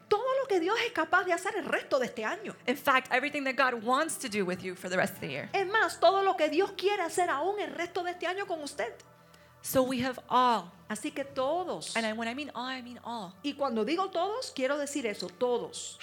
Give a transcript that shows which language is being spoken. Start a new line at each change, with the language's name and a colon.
Spanish: Todo lo que Dios es capaz de hacer el resto de este año.
English: In fact, everything that God wants to do with you for the rest of the year.
Spanish: Es más, todo lo que Dios quiere hacer aún el resto de este año con usted.
English: So we have all.
Spanish: Así que todos.
English: And when I mean all, I mean all.
Spanish: Y cuando digo todos, quiero decir eso, todos.